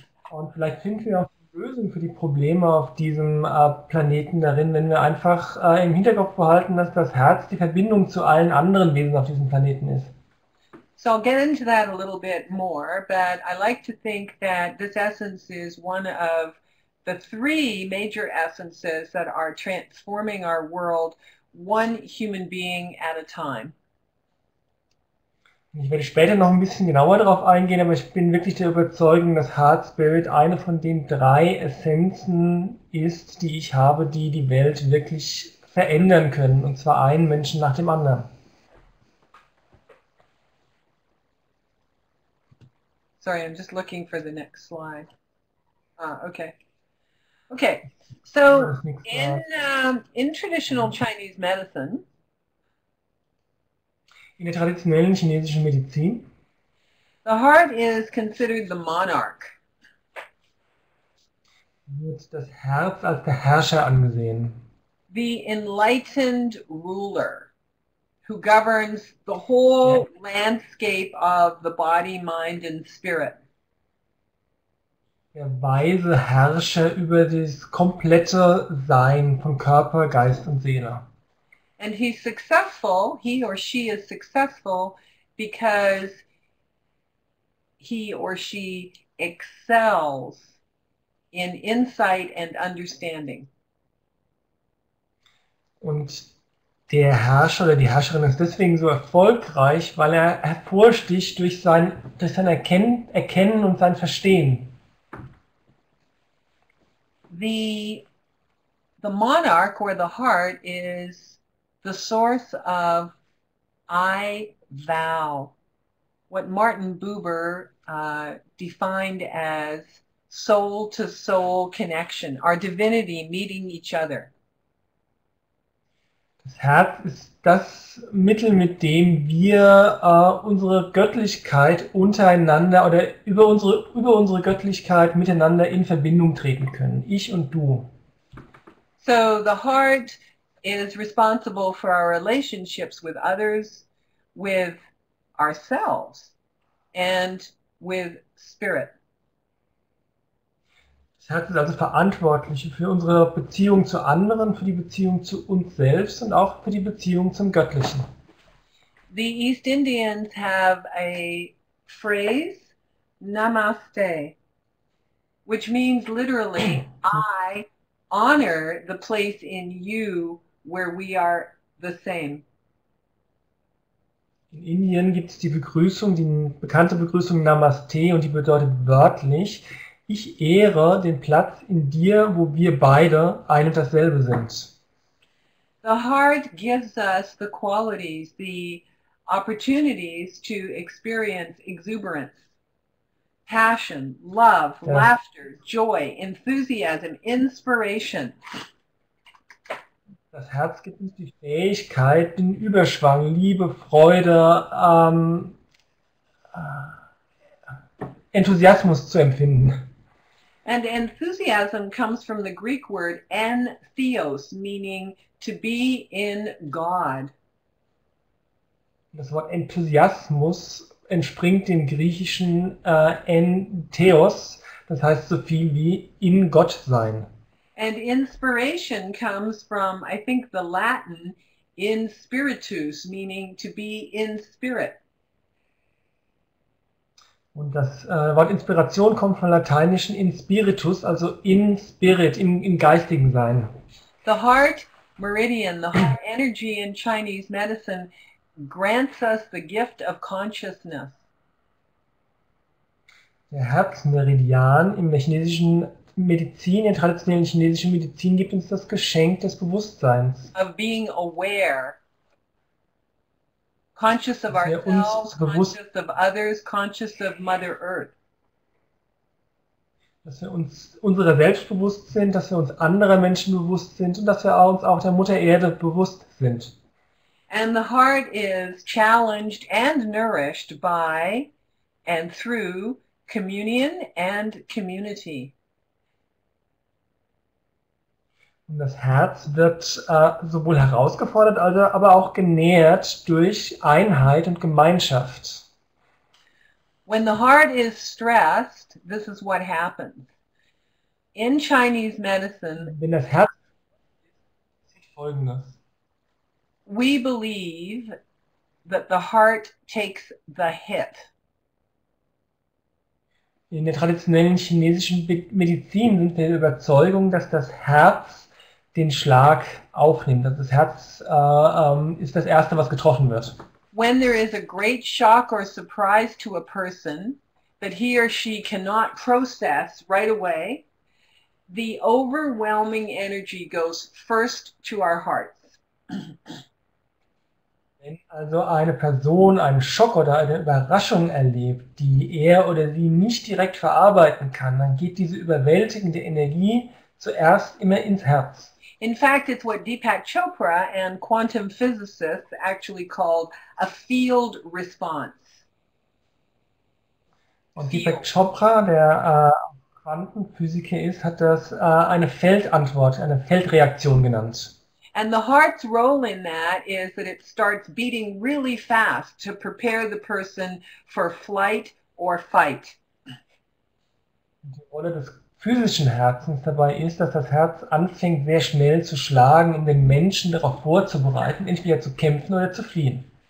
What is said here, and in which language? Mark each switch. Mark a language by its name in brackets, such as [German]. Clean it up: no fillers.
[German] Und vielleicht finden wir auch eine Lösung für die Probleme auf diesem Planeten darin, wenn wir einfach im Hinterkopf behalten, dass das Herz die Verbindung zu allen anderen Wesen auf diesem Planeten ist. [English] So I'll get into that a little bit more, but I like to think that this essence is one of the three major essences that are transforming our world one human being at a time. [German] Ich werde später noch ein bisschen genauer darauf eingehen, aber ich bin wirklich der Überzeugung, dass Heart Spirit eine von den drei Essenzen ist, die ich habe, die die Welt wirklich verändern können, und zwar einen Menschen nach dem anderen. [English] Sorry, I'm just looking for the next slide. Okay, so in traditional Chinese medicine, [German] in der traditionellen chinesischen Medizin, [English] the heart is considered the monarch. [German] Wird das Herz als der Herrscher angesehen. [English] The enlightened ruler who governs the whole landscape of the body, mind and spirit. [German] Der weise Herrscher über das komplette Sein von Körper, Geist und Seele. [English] And he's successful, he or she is successful, because he or she excels in insight and understanding. [German] Und der Herrscher oder die Herrscherin ist deswegen so erfolgreich, weil er hervorsticht durch sein Erkennen und sein Verstehen. [English] The monarch or the heart is the source of I vow, what Martin Buber defined as soul to soul connection, our divinity meeting each other. [German] Das Herz ist das Mittel, mit dem wir unsere Göttlichkeit untereinander oder über unsere Göttlichkeit miteinander in Verbindung treten können. Ich und du. [English] So the heart is responsible for our relationships with others, with ourselves, and with spirit. [German] Das Herz ist also verantwortlich für unsere Beziehung zu anderen, für die Beziehung zu uns selbst und auch für die Beziehung zum Göttlichen. [English] The East Indians have a phrase, Namaste, which means literally, I honor the place in you where we are the same. [German] In Indien gibt es die Begrüßung, die bekannte Begrüßung Namaste, und die bedeutet wörtlich, ich ehre den Platz in dir, wo wir beide ein und dasselbe sind. [English] The heart gives us the qualities, the opportunities to experience exuberance, passion, love, ja, laughter, joy, enthusiasm, inspiration. [German] Das Herz gibt uns die Fähigkeit, den Überschwang, Liebe, Freude, Enthusiasmus zu empfinden. [English] And enthusiasm comes from the Greek word entheos, meaning to be in God. [German] Das Wort Enthusiasmus entspringt dem griechischen entheos, das heißt so viel wie in Gott sein. [English] And inspiration comes from, I think, the Latin, in spiritus, meaning to be in spirit. [German] Und das Wort Inspiration kommt vom lateinischen in spiritus, also [English] in spirit, [German] im geistigen Sein. [English] The heart meridian, the heart energy in Chinese medicine, grants us the gift of consciousness. [German] Der Herzmeridian in der chinesischen Medizin, in traditionellen chinesischen Medizin, gibt uns das Geschenk des Bewusstseins. [English] Of being aware, conscious of ourselves, conscious of others, conscious of Mother Earth. [German] Dass wir uns unserer selbst bewusst sind, dass wir uns anderer Menschen bewusst sind und dass wir uns auch der Mutter Erde bewusst sind. [English] And the heart is challenged and nourished by and through communion and community. [German] Und das Herz wird sowohl herausgefordert, aber auch genährt durch Einheit und Gemeinschaft. [English] When the heart is stressed, this is what happens. In Chinese medicine, [German] Wenn das Herz sieht Folgendes. [English] we believe that the heart takes the hit. [German] In der traditionellen chinesischen Medizin sind wir der Überzeugung, dass das Herz den Schlag aufnimmt. Das Herz ist das Erste, was getroffen wird. [English] When there is a great shock or surprise to a person that he or she cannot process right away, the overwhelming energy goes first to our hearts. [German] Wenn also eine Person einen Schock oder eine Überraschung erlebt, die er oder sie nicht direkt verarbeiten kann, dann geht diese überwältigende Energie zuerst immer ins Herz. [English] In fact, it's what Deepak Chopra and quantum physicists actually called a field response. [German] Und Deepak Chopra, der Quantenphysiker ist, hat das eine Feldantwort, eine Feldreaktion genannt. [English] And the heart's role in that is that it starts beating really fast to prepare the person for flight or fight. [German] Die Rolle des physischen Herzens dabei ist, dass das Herz anfängt, sehr schnell zu schlagen, um den Menschen darauf vorzubereiten, entweder zu kämpfen oder zu fliehen.